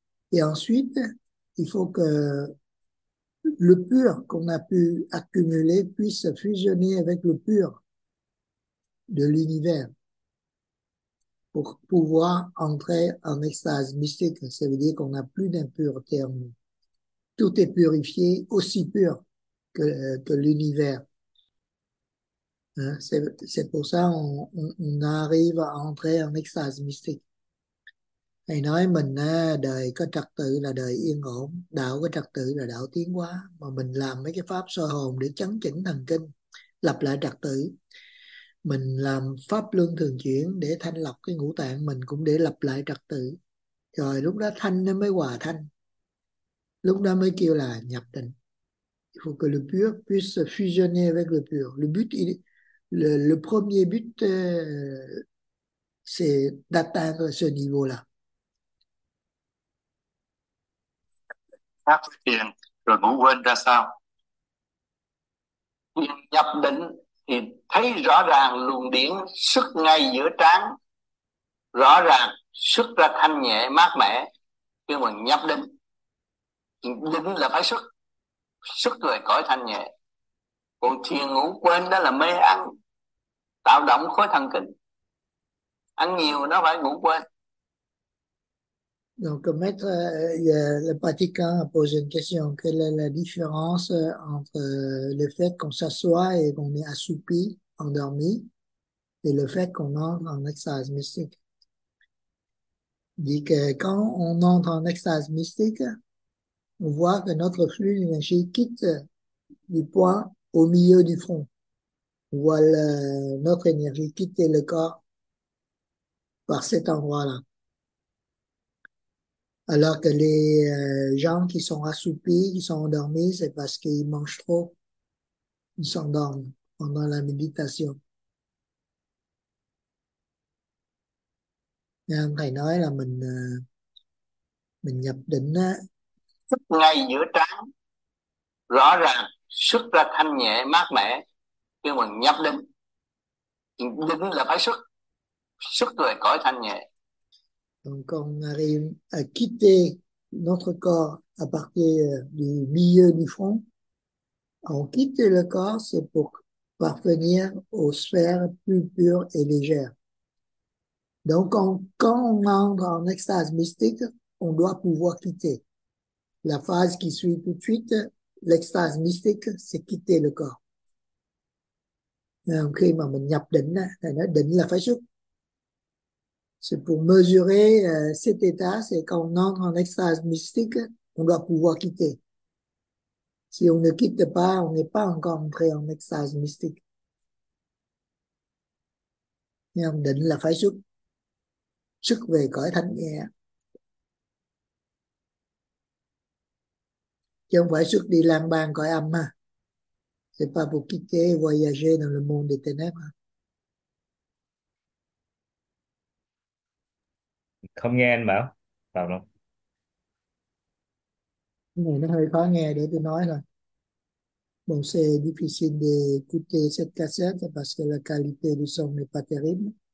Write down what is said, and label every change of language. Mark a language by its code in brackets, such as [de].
[fr] Et ensuite, il faut que le pur qu'on a pu accumuler puisse fusionner avec le pur de l'univers pour pouvoir entrer en extase mystique. Ça veut dire qu'on n'a plus d'impureté en nous. Tout est purifié, aussi pur que l'univers. Hein? C'est pour ça qu'on arrive à entrer en extase mystique. [vi] Thầy nói mình đời có trật tự là đời yên ổn, đạo có trật tự là đạo tiến hóa, mà mình làm mấy cái pháp soi hồn để chấn chỉnh thần kinh, lập lại trật tự. Mình làm pháp luân thường chuyển để thanh lọc cái ngũ tạng mình cũng để lập lại trật tự. Rồi lúc đó thanh nó mới hòa thanh. Lúc đó mới kêu là nhập định. [fr] Il faut que le pur puisse fusionner avec le pur. Le premier but, c'est d'atteindre ce niveau-là. [vi] Khác với thiền rồi ngủ quên ra sao? Nhập định thì thấy rõ ràng luồng điển xuất ngay giữa trán, rõ ràng xuất ra thanh nhẹ mát mẻ. Nhưng mà nhập định, định là phải xuất, xuất rồi cõi thanh nhẹ. Còn thiền ngủ quên đó là mê ăn, tạo động khối thần kinh. Ăn nhiều nó phải ngủ quên. [fr] Donc, le pratiquant a posé une question. Quelle est la différence entre le fait qu'on s'assoit et qu'on est assoupi, endormi, et le fait qu'on entre en extase mystique? Il dit que quand on entre en extase mystique, on voit que notre flux d'énergie quitte du point au milieu du front. On voit notre énergie quitter le corps par cet endroit-là. Alors que les gens qui sont assoupis, qui sont endormis, c'est parce qu'ils mangent trop. Ils s'endorment pendant la méditation. Et [vi] thầy nói là mình nhập định á. Xuất ngay giữa trán, rõ ràng xuất ra thanh nhẹ mát mẻ. Nhưng mà nhập định là phải xuất, xuất rồi cõi thanh nhẹ. [fr] Donc, on arrive à quitter notre corps à partir du milieu du front On quitte le corps, c'est pour parvenir aux sphères plus pures et légères. Donc, quand on entre en extase mystique, on doit pouvoir quitter. La phase qui suit tout de suite, l'extase mystique, c'est quitter le corps. Donc, [vi] khi mà mình nhập định, định là phải xuất. [fr] C'est pour mesurer cet état, c'est quand on entre en extase mystique, on doit pouvoir quitter. Si on ne quitte pas, on n'est pas encore entré en extase mystique. Et on [vi] định là phải xuất. Xuất về cõi thanh nhẹ. Chứ không phải xuất đi lang bang cõi âm mà. [fr] C'est pas pour quitter, voyager dans le monde des ténèbres. [vi] Không nghe anh bảo vào đâu. Này nó hơi khó nghe để tôi nói thôi. [fr] Bon, c'est difficile d'écouter cette cassette parce que la qualité du son n'est pas terrible.